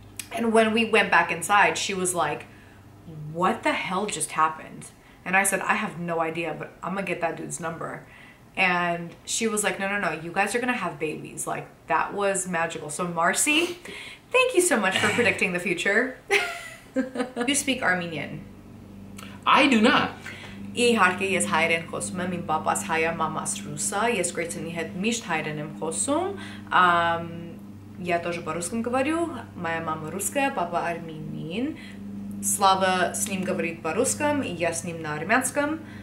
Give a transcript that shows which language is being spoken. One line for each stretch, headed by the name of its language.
English: And when we went back inside, she was like, what the hell just happened? And I said, I have no idea, but I'm gonna get that dude's number. And she was like, no, you guys are gonna have babies. Like, that was magical. So Marcy, thank you so much for predicting the future. You speak Armenian? I do not.
Armenian: Իհարկե ես հայերեն խոսում եմ, իմ պապաս հայ է, մամաս ռուս է, ես գրեթե հետ միշտ հայերեն եմ խոսում.
Russian: Я тоже по-русски говорю. Моя мама русская, папа армянин. Slava с ним говорит по-русски, я с ним на армянском.